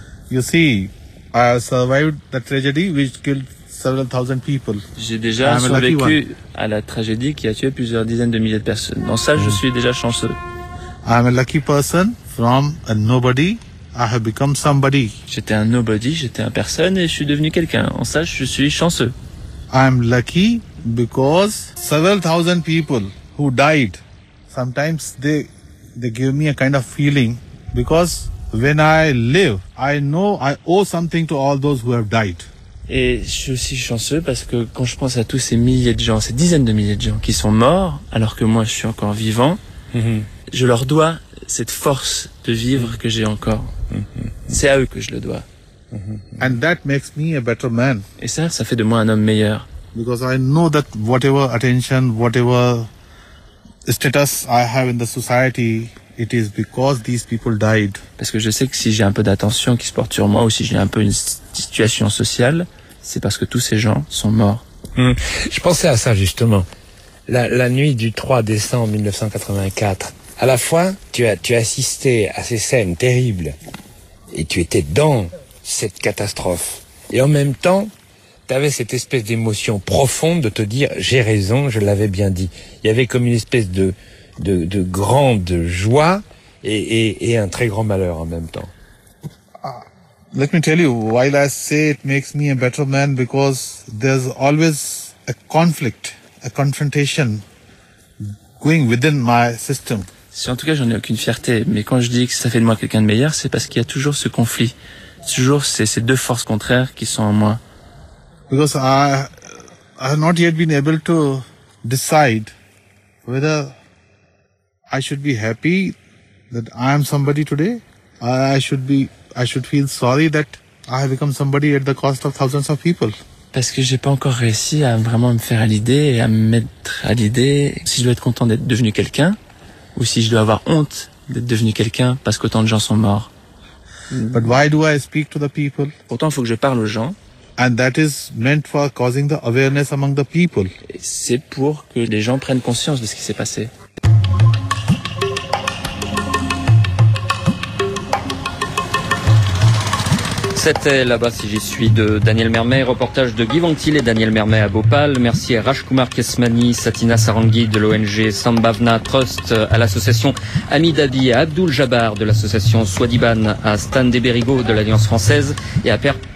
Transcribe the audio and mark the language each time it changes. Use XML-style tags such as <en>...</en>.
<en>You see, I have survived the tragedy which killed several thousand people.</en> <fr>J'ai déjà survécu à la tragédie qui a tué plusieurs dizaines de milliers de personnes. Dans ça, je suis déjà chanceux.</fr> <en>I am a lucky person from a nobody. I have become somebody.</en> <fr>J'étais un nobody, j'étais un personne et je suis devenu quelqu'un. En ça, je suis chanceux.</fr> <en>I am lucky because several thousand people who died, sometimes they give me a kind of feeling because when I live, I know I owe something to all those who have died.</en> <fr>Et je suis aussi chanceux parce que quand je pense à tous ces milliers de gens, ces dizaines de milliers de gens qui sont morts, alors que moi je suis encore vivant, je leur dois cette force de vivre que j'ai encore. C'est à eux que je le dois.</fr> <en>And that makes me a better man.</en> <fr>Et ça fait de moi un homme meilleur.</fr> <en>Because I know that whatever attention, whatever status I have in the society, it is because these people died.</en> <fr>Parce que je sais que si j'ai un peu d'attention qui se porte sur moi ou si j'ai un peu une situation sociale, c'est parce que tous ces gens sont morts. Je pensais à ça justement. La nuit du 3 décembre 1984, à la fois tu as assisté à ces scènes terribles et tu étais dans cette catastrophe. Et en même temps, tu avais cette espèce d'émotion profonde de te dire « j'ai raison, je l'avais bien dit ». Il y avait comme une espèce de grande joie et un très grand malheur en même temps.</fr> <en>Let me tell you, while I say it makes me a better man because there's always a conflict, a confrontation going within my system.</en> <fr>Si en tout cas j'en ai aucune fierté, mais quand je dis que ça fait de moi quelqu'un de meilleur, c'est parce qu'il y a toujours ce conflit. Toujours, c'est ces deux forces contraires qui sont en moi.</fr> <en>Because I have not yet been able to decide whether I should be happy that I am somebody today, or I should feel sorry that I have become somebody at the cost of thousands of people.</en> <fr>Parce que j'ai pas encore réussi à vraiment me faire à l'idée et à me mettre à l'idée si je dois être content d'être devenu quelqu'un ou si je dois avoir honte d'être devenu quelqu'un parce qu'autant de gens sont morts.</fr> <en>But why do I speak to the people?</en> <fr>Pourtant, il faut que je parle aux gens.</fr> <en>And that is meant for causing the awareness among the people.</en> <fr>Et c'est pour que les gens prennent conscience de ce qui s'est passé. C'était Là-bas si j'y suis de Daniel Mermet, reportage de Guy Vantil et Daniel Mermet à Bhopal. Merci à Rajkumar Kesmani, Satina Sarangi de l'ONG Sambhavna Trust, à l'association Ami Dabi, à Abdul Jabbar de l'association Swadiban, à Stan Deberigo de l'Alliance Française et à Père</fr>